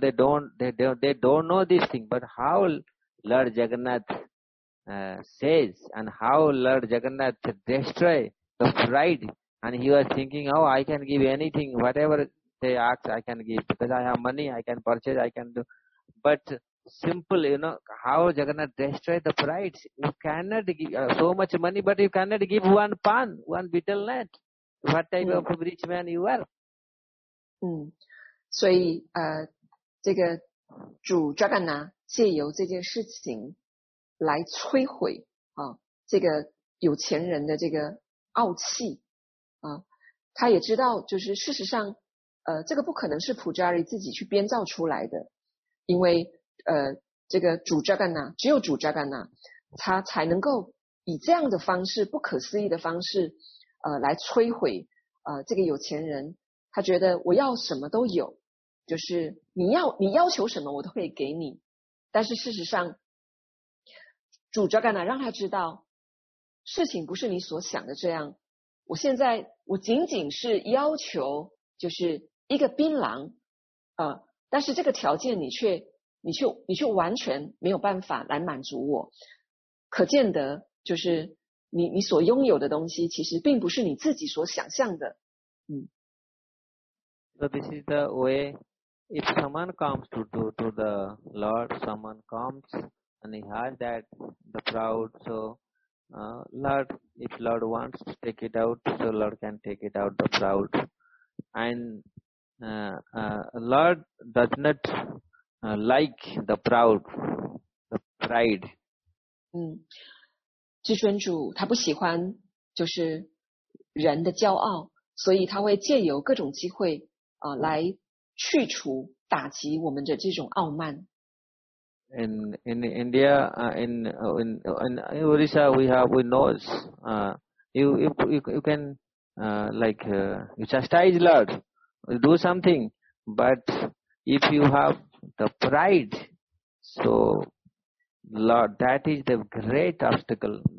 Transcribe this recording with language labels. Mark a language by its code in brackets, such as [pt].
[en] They don't know this thing. But how Lord Jagannath says and how Lord Jagannath destroy the pride, and he was thinking, oh, I can give anything, whatever they ask, I can give, because I have money, I can purchase, I can do. But simple, you know, how Jagannath destroy the pride? You cannot give so much money, but you cannot give one pan, one betel nut. What type of rich man you are? [zh] 所以这个主 Jagannath 借由这件事情来摧毁这个有钱人的这个傲气他也知道就是事实上这个不可能是普扎里自己去编造出来的，因为这个主扎干纳，只有主扎干纳他才能够以这样的方式，不可思议的方式来摧毁这个有钱人。他觉得我要什么都有，就是你要求什么我都可以给你，但是事实上主扎干纳让他知道事情不是你所想的这样，我现在我仅仅是要求就是一个槟榔但是这个条件你却完全没有办法来满足我，可见得就是你所拥有的东西其实并不是你自己所想象的。 [en] So this is the way, if someone comes to the Lord, someone comes and he has that the proud, soLord, if Lord wants to take it out, so Lord can take it out the proud. And Lord does not like the proud, the pride. [zh] 至尊主他不喜欢就是人的骄傲，所以他会借由各种机会来去除打击我们的这种傲慢。 [en] In India, in Orissa, we know, you can, you chastise Lord, do something, but if you have the pride, so Lord, that is the great obstacle.